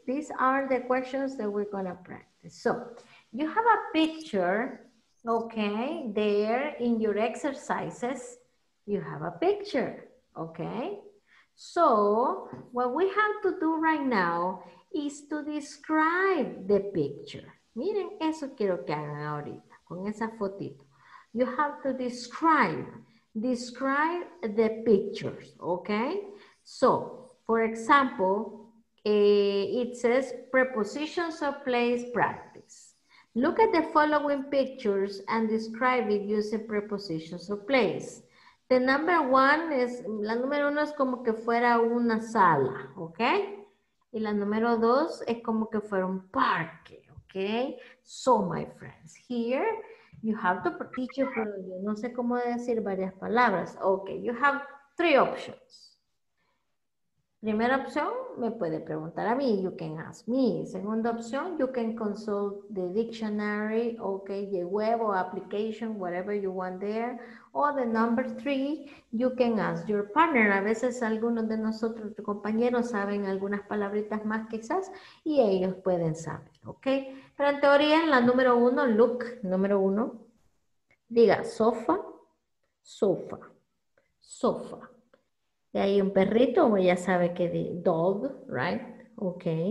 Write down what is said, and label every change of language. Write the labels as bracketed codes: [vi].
[en] These are the questions that we're going to practice. So, you have a picture, okay, there in your exercises. You have a picture, okay? So, what we have to do right now is to describe the picture. [es] Miren, eso quiero que hagan ahorita, con esa fotito. [en] You have to describe. Describe the pictures, okay? So, for example, it says prepositions of place practice. Look at the following pictures and describe it using prepositions of place. The number one is, [es] la número uno es como que fuera una sala, okay? Y la número dos es como que fuera un parque, okay? [en] So, my friends, here, you have to teach you, [es] pero yo no sé cómo decir varias palabras. [en] Okay, you have three options. [es] Primera opción, me puede preguntar a mí. [en] You can ask me. [es] Segunda opción, [en] you can consult the dictionary, okay, the web or application, whatever you want there. Or the number three, you can ask your partner. [es] A veces algunos de nosotros, tus compañeros, saben algunas palabritas más quizás y ellos pueden saber, okay. Pero en teoría, en la número uno, look, número uno, diga sofa, sofa, sofa. De ahí un perrito, o ya sabe que de dog, right? Ok.